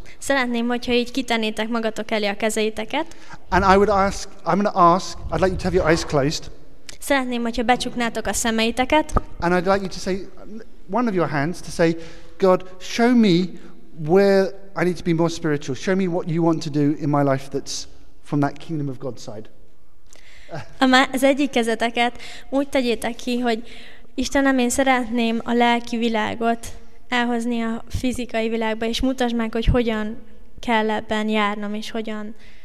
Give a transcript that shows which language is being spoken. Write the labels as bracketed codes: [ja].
[hu] Szeretném, hogyha így kitennétek magatok elé a kezeiteket. [en] And I would ask, I'm going to ask, I'd like you to have your eyes closed. [hu] Szeretném, hogyha becsuknátok a szemeiteket. [en] And I'd like you to say, one of your hands, to say, God, show me where I need to be more spiritual. Show me what you want to do in my life that's from that kingdom of God side. [hu] Az egyik kezeteket úgy tegyétek ki, hogy Istenem, én szeretném a lelki világot elhozni a fizikai világba, és mutasd meg, hogy hogyan kell ebben járnom, és hogyan...